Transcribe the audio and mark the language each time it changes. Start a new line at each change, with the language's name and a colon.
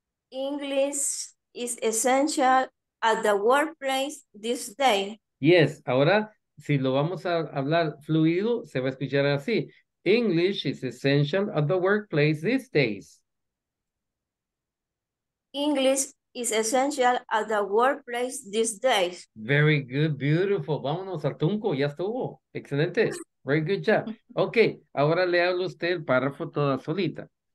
English: English is essential at the workplace this day.
Spanish: Yes, ahora si lo vamos a hablar fluido, se va a escuchar así.
English: English is essential at the workplace these days. English is essential at the workplace these days. Very good, beautiful.
Spanish: Vámonos al tunco, ya estuvo.
English: Excelente. Very good job.
Spanish: Okay, ahora le hablo a usted el párrafo toda solita.